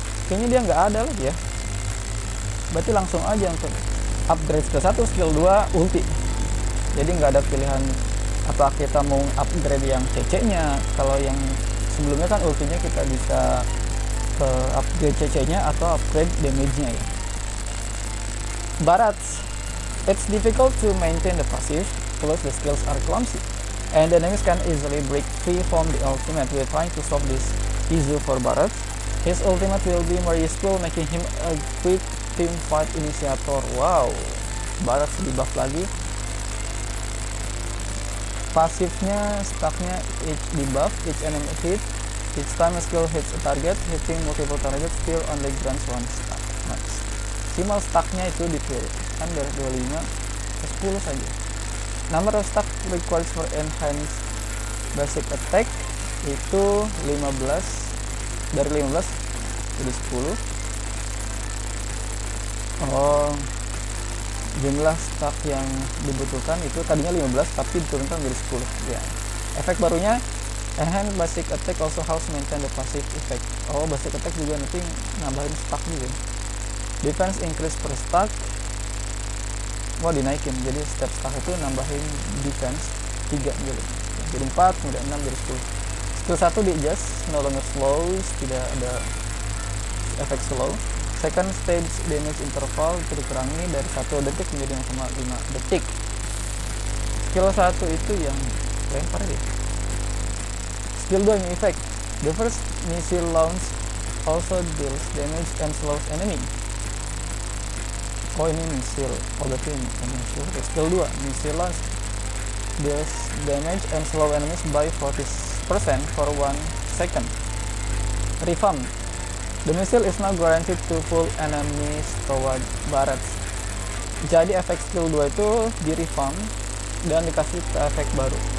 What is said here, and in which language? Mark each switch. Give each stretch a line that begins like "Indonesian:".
Indonesian: Kayaknya dia nggak ada lagi ya. Berarti langsung aja untuk upgrade skill 1, skill 2, ulti. Jadi nggak ada pilihan apa kita mau upgrade yang CC-nya. Kalau yang sebelumnya kan ultinya kita bisa upgrade CC-nya atau upgrade damage-nya ya.
English: Barat, it's difficult to maintain the passive, plus the skills are clumsy, and the enemies can easily break free from the ultimate. We're trying to solve this issue for Barret. His ultimate will be more useful, making him a quick team fight initiator.
Indonesian: Wow, Barret di buff lagi.
English: Passive-nya, stack-nya each debuff, each enemy hit. Each time a skill hits a target, hitting multiple targets still only grants one stack. Nice.
Indonesian: Maksimal stack-nya itu di kiri kan dari 25 ke 10 saja.
English: Number of stack required for enhanced basic attack itu 15,
Indonesian: dari 15 jadi 10. Jumlah stack yang dibutuhkan itu tadinya 15 tapi diturunkan jadi 10 ya. Efek barunya
English: And basic attack also helps maintain the passive effect.
Indonesian: Oh, basic attack juga nanti nambahin stack juga.
English: Defense increase per stack.
Indonesian: Wah, dinaikin. Jadi setiap stack itu nambahin defense 3 juga. Jadi 4, kemudian 6, jadi 10. Skill 1 di adjust,
English: no longer slow,
Indonesian: tidak ada efek slow. Second stage damage interval dikurangi dari 1 detik menjadi 0,5 detik. Skill 1 itu yang lempar ya.
English: Skill 2 new effect. The first missile launch also deals damage and slows enemy.
Indonesian: Oh ini missile, oh berarti ini missile.
English: Okay. Skill 2, missile launch deals damage and slow enemies by 40% for 1 second. Reform. The missile is now guaranteed to pull enemies toward barrels.
Indonesian: Jadi efek skill 2 itu di reform dan dikasih ke efek baru.